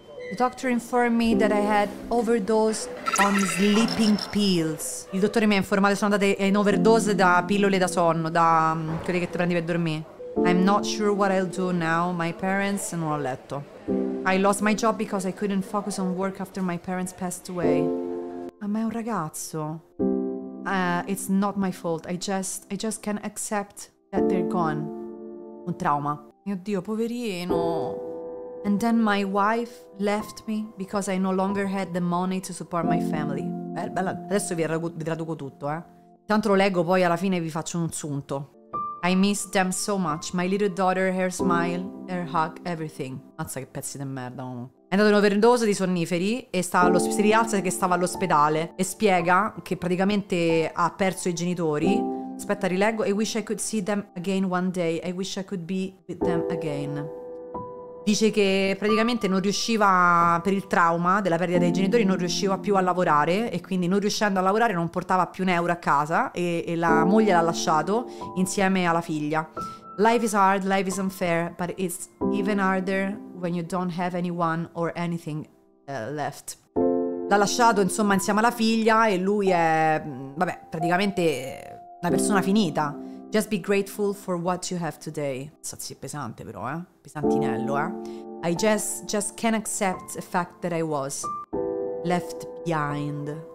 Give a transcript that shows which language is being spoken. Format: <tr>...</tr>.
<en>The doctor informed me that I had overdose on sleeping pills.</en> <it>Il dottore mi ha informato che sono andate in overdose da pillole da sonno, da quelle che ti prendi per dormire.</it> <en>I'm not sure what I'll do now. My parents</en> <it>non ho letto.</it> <en>I lost my job because I couldn't focus on work after my parents passed away.</en> <it>Ma è un ragazzo.</it> <en>It's not my fault. I just can't accept that they're gone.</en> <it>Un trauma. Mio Dio, poverino.</it> <en>And then my wife left me because I no longer had the money to support my family.</en> <it>Bella. Adesso vi traduco tutto, eh. Tanto lo leggo, poi alla fine vi faccio un sunto.</it> <en>I miss them so much. My little daughter, her smile, her hug, everything.</en> <it>Mazza che pezzi di merda, uomo. È andato in overdose di sonniferi e si rialza che stava all'ospedale e spiega che praticamente ha perso i genitori. Aspetta, rileggo.</it> <en>I wish I could see them again one day. I wish I could be with them again.</en> <it>Dice che praticamente non riusciva, per il trauma della perdita dei genitori, non riusciva più a lavorare e quindi, non riuscendo a lavorare, non portava più un euro a casa e la moglie l'ha lasciato insieme alla figlia.</it> <en>Life is hard, life is unfair, but it's even harder when you don't have anyone or anything left.</en> <it>L'ha lasciato insomma insieme alla figlia e lui è, vabbè, praticamente una persona finita.</it> <en>Just be grateful for what you have today.</en> <it>So, sì, è pesante però, eh? Pesantinello, eh?</it> <en>I just can't accept the fact that I was left behind.</en>